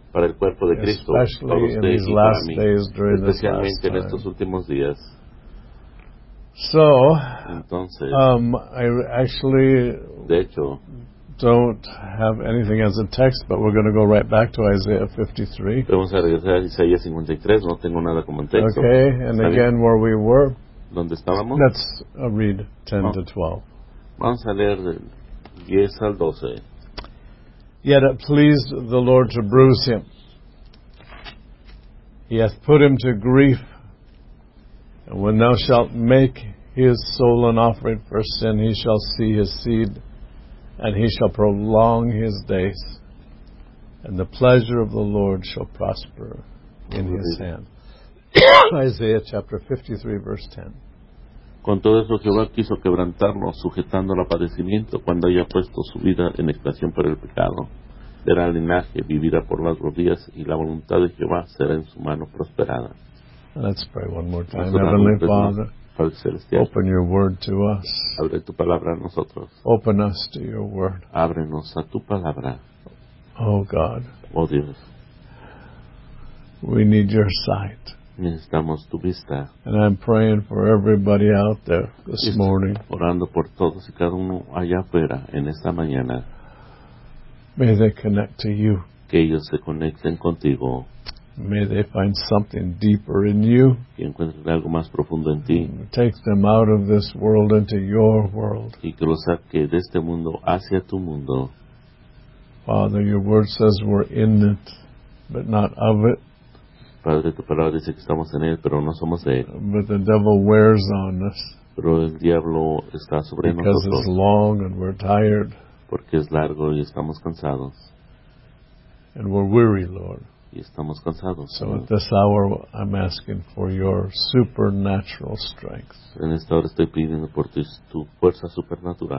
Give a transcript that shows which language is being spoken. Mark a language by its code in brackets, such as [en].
[es] para el cuerpo de Cristo, [en] especially [es] para usted [en] in these last days during this [es] last en estos últimos días. [en] So, [es] entonces, [en] I actually [es] de hecho, [en] don't have anything as a text, but we're going to go right back to Isaiah 53. [es] Vamos a regresar a Isaías 53, no tengo nada como texto. [en] Okay, and ¿sabes? Again, where we were, [es] ¿dónde estábamos? [en] Let's read 10 to 12. [es] Vamos a leer de 10 al 12. [en] Yet it pleased the Lord to bruise him. He hath put him to grief. And when thou shalt make his soul an offering for sin, he shall see his seed, and he shall prolong his days, and the pleasure of the Lord shall prosper in his hand. Isaiah chapter 53, verse 10. [es] Con todo eso Jehová quiso quebrantarlo, sujetándolo a padecimiento, cuando haya puesto su vida en expiación por el pecado. Verá el linaje, vivirá por las rodillas, y la voluntad de Jehová será en su mano prosperada. [en] Let's pray one more time. Heavenly Father, [es] Padre Celestial, [en] open your word to us. [es] Abre tu palabra a nosotros. [en] Open us to your word. [es] Ábrenos a tu palabra. [en] Oh God. [es] Oh Dios. [en] We need your sight. [es] Necesitamos tu vista. [en] And I'm praying for everybody out there this morning. [es] Orando por todos y cada uno allá afuera en esta mañana. [en] May they connect to you. [es] Que ellos se conecten contigo. [en] May they find something deeper in you. [es] Que encuentren algo más profundo en ti. [en] Take them out of this world into your world. [es] Y que los saque de este mundo hacia tu mundo. [en] Father, your word says we're in it, but not of it. [es] Padre, tu palabra dice que estamos en él, pero no somos de él. [en] But the devil wears on us. [es] Pero el diablo está sobre [en] because [es] nosotros. [en] Because it's long and we're tired. [es] Porque es largo y estamos cansados. [en] And we're weary, Lord. [es] Y estamos cansados. [en] So at this hour, I'm asking for your supernatural strength. [es] En esta hora estoy pidiendo por tu fuerza supernatural.